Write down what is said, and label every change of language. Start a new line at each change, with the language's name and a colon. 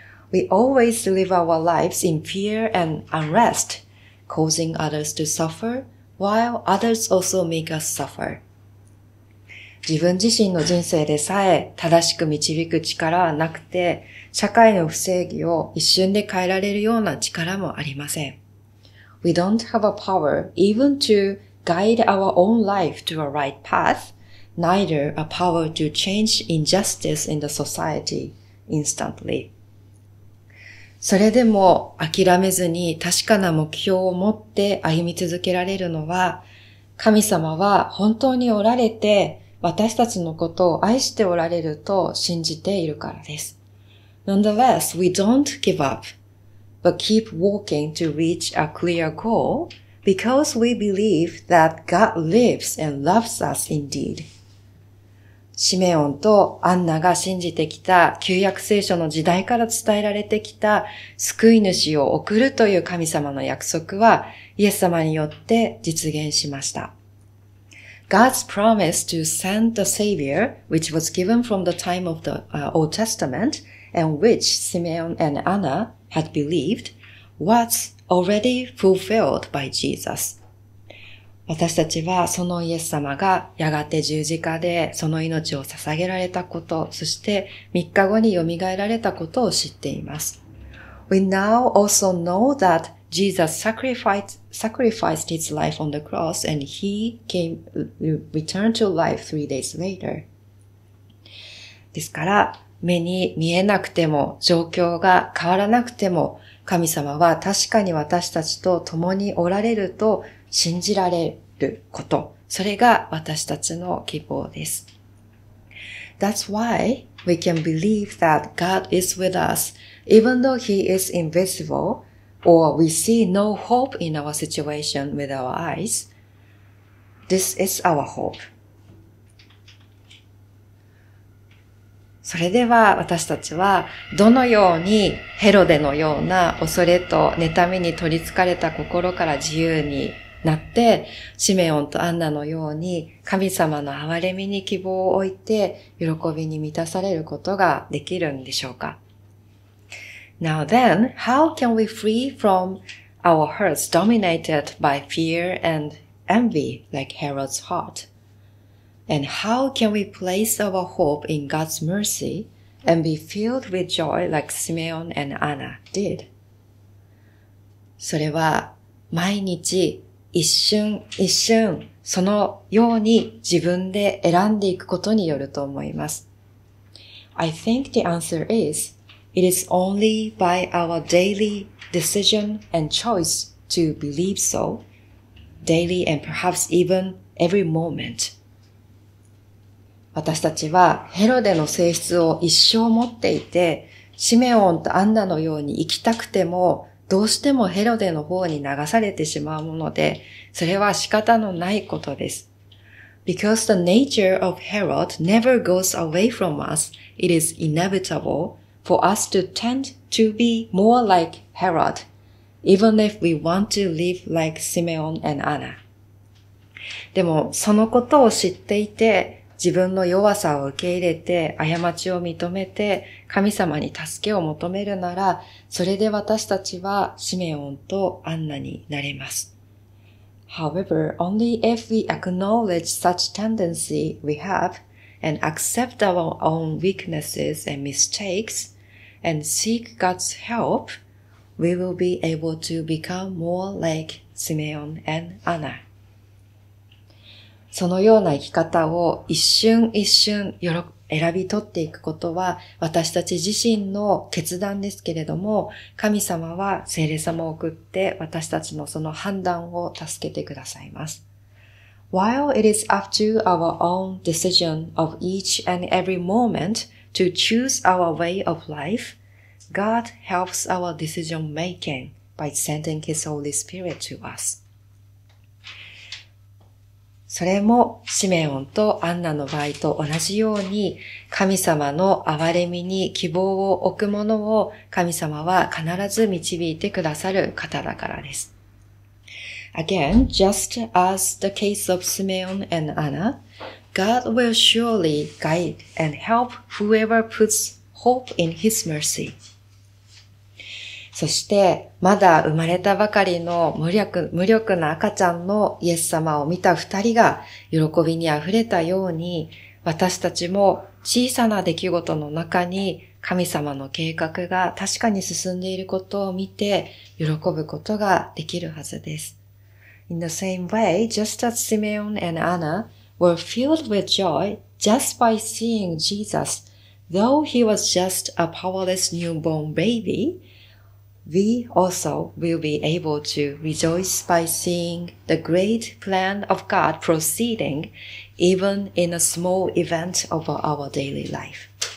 English: We always live our lives in fear and unrest, causing others to suffer, while others also make us suffer.
Japanese: 自分自身の人生でさえ正しく導く力はなくて、社会の不正義を一瞬で変えられるような力もありません。
English: We don't have a power even to guide our own life to a right path, neither a power to change injustice in the society instantly.
Japanese: それでも諦めずに確かな目標を持って歩み続けられるのは、神様は本当におられて私たちのことを愛しておられると信じているからです。
English: Nonetheless, we don't give up, but keep walking to reach a clear goal because we believe that God lives and loves us indeed.
Japanese: シメオンとアンナが信じてきた旧約聖書の時代から伝えられてきた救い主を送るという神様の約束はイエス様によって実現しました。
English: God's promise to send the Savior, which was given from the time of the Old Testament, and which Simeon and Anna had believed, was already fulfilled by Jesus.
Japanese: 私たちはそのイエス様がやがて十字架でその命を捧げられたこと、そして三日後によみがえられたことを知っています。
English: We now also know that Jesus sacrificed his life on the cross and he came returned to life three days later.
Japanese: ですから、目に見えなくても状況が変わらなくても神様は確かに私たちと共におられると信じられること、それが私たちの希望です。
English: That's why we can believe that God is with us even though he is invisible or we see no hope in our situation with our eyes. This is our hope.
Japanese: それでは私たちはどのようにヘロデのような恐れと妬みに取り憑かれた心から自由になって、シメオンとアンナのように神様の憐れみに希望を置いて喜びに満たされることができるんでしょうか。
English: Now then, how can we free from our hearts dominated by fear and envy like Herod's heart? And how can we place our hope in God's mercy and be filled with joy like Simeon and Anna did?
Japanese: それは毎日一瞬一瞬そのように自分で選んでいくことによると思います。
English: I think the answer is,It is only by our daily decision and choice to believe so, daily and perhaps even every moment.
Japanese: 私たちはヘロデの性質を一生持っていて、シメオンとアンナのように生きたくても、どうしてもヘロデの方に流されてしまうもので、それは仕方のないことです。
English: Because the nature of Herod never goes away from us, it is inevitable. For us to tend to be more like Herod, even if we want to live like Simeon and Anna.
Japanese: でもそのことを知っていて、自分の弱さを受け入れて、過ちを認めて、神様に助けを求めるなら、それで私たちはシメオンとアンナになれます。
English: However, only if we acknowledge such tendency we have and accept our own weaknesses and mistakes,And seek God's help, we will be able to become more like Simeon and Anna.
Japanese: そのような生き方を一瞬一瞬選び取っていくことは私たち自身の決断ですけれども、神様は聖霊様を送って私たちのその判断を助けてくださいます。
English: While it is up to our own decision of each and every moment,To choose our way of life, God helps our decision making by sending His Holy Spirit to us.
Japanese: それもシメオンとアンナの場合と同じように、神様の憐れみに希望を置くものを神様は必ず導いてくださる方だからです。
English: Again, just as the case of Simeon and Anna,God will surely guide and help whoever puts hope in His mercy.
Japanese: そしてまだ生まれたばかりの無力な赤ちゃんのイエス様を見た二人が喜びにあふれたように、私たちも小さな出来事の中に神様の計画が確かに進んでいることを見て喜ぶことができるはずです。
English: In the same way, just as Simeon and Anna were filled with joy just by seeing Jesus, though he was just a powerless newborn baby, we also will be able to rejoice by seeing the great plan of God proceeding even in a small event of our daily life.